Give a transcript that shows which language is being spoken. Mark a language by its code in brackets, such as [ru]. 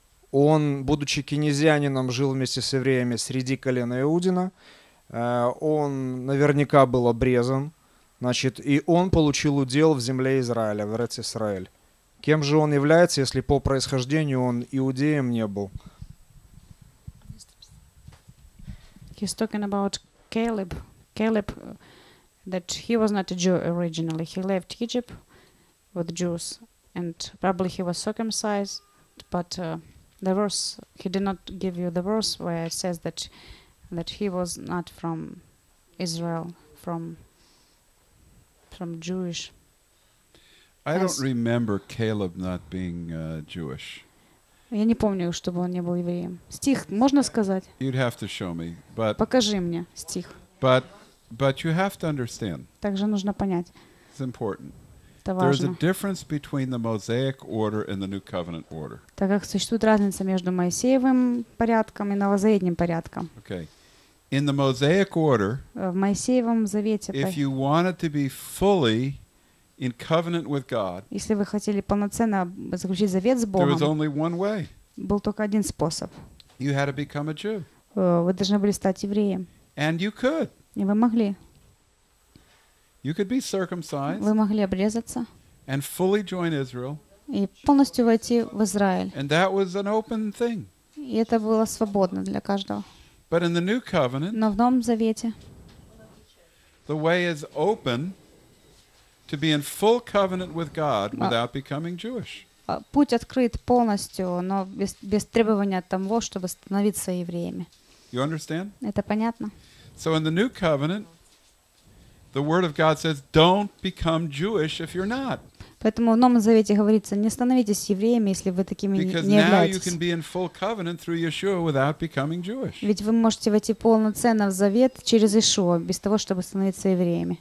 [ru] Он, будучи кинезианином, жил вместе с евреями среди колена Иудина. Он наверняка был обрезан. Значит, и он получил удел в земле Израиля, в Эрец-Исраэль. Кем же он является, если по происхождению он иудеем не был? [en] He's talking about Caleb. Caleb, that he was not a Jew originally. He left Egypt with Jews, and probably he was circumcised, but the verse, he did not give you the verse where it says that he was not from Israel, from Jewish. I don't remember Caleb not being Jewish. [ru] Я не помню, чтобы он не был евреем. Стих можно сказать? [en] You'd have to show me, but, [ru] покажи мне стих. [en] But you have to understand. [ru] Также нужно понять. [en] It's important. [ru] Это важно. [en] There's a difference between the Mosaic order and the New Covenant order. [ru] Так как существует разница между Моисеевым порядком и новозаветным порядком. [en] Okay. In the Mosaic order, [ru] в Моисеевом завете, [en] if you wanted to be fully in covenant with God, [ru] если вы хотели полноценно заключить завет с Богом, [en] there was only one way. [ru] Был только один способ. [en] You had to become a Jew. [ru] Вы должны были стать евреем. [en] And you could. [ru] И вы могли. [en] You could be circumcised. [ru] Вы могли обрезаться. [en] And fully join Israel. [ru] И полностью войти в Израиль. [en] And that was an open thing. [ru] И это было свободно для каждого. [en] But in the New Covenant, [ru] но в Новом Завете, [en] the way is open to be in full covenant with God without becoming Jewish. [ru] Путь открыт полностью, но без требования того, чтобы становиться евреями. [en] You understand? [ru] Это понятно. [en] So in the New Covenant, the Word of God says, "Don't become Jewish if you're not." [ru] Поэтому в Новом Завете говорится: не становитесь евреями, если вы такими не являетесь. [en] Because now you can be in full covenant through Yeshua without becoming Jewish. [ru] Ведь вы можете войти полноценно в Завет через Иешуа без того, чтобы становиться евреями.